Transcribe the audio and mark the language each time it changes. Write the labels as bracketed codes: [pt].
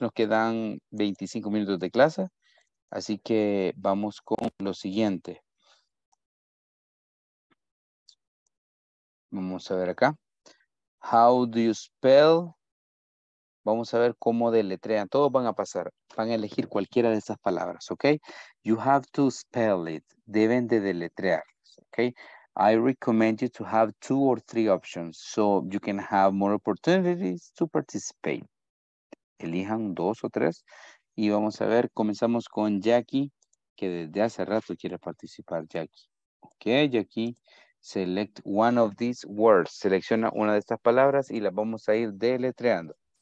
[es] Nos quedan 25 minutos de clase. Así que vamos con lo siguiente. Vamos a ver acá. [en] How do you spell? [es] Vamos a ver cómo deletrean. Todos van a pasar. Van a elegir cualquiera de esas palabras, ¿ok? [en] You have to spell it. [es] Deben de deletrear, [en] ¿ok? I recommend you to have two or three options so you can have more opportunities to participate. [es] Elijan dos o tres. Y vamos a ver, comenzamos con Jackie, que desde hace rato quiere participar, Jackie. [en] Ok, Jackie, select one of these words. [es] Selecciona una de estas palabras y las vamos a ir deletreando.